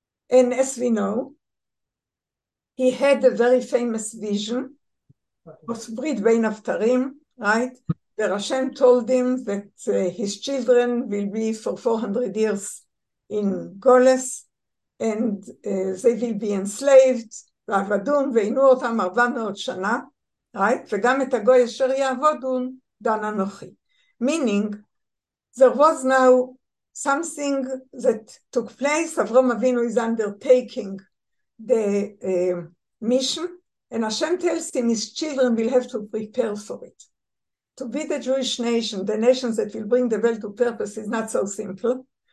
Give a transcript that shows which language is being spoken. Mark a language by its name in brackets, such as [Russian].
[English] And as we know, he had a very famous vision of Brit Bein Avtarim, right? Where Hashem told him that his children will be for 400 years in Golis, and they will be enslaved, [Hebrew] ועבדון ועינו אותם 400 שנה, [English] right? [Hebrew] וגם את הגוי אשר יעבדון, דן אנוכי. [English] Meaning, there was now something that took place, Avram Avinu is undertaking the mission, and Hashem tells him his children will have to prepare for it. To be the Jewish nation, the nation that will bring the world to purpose, is not so simple.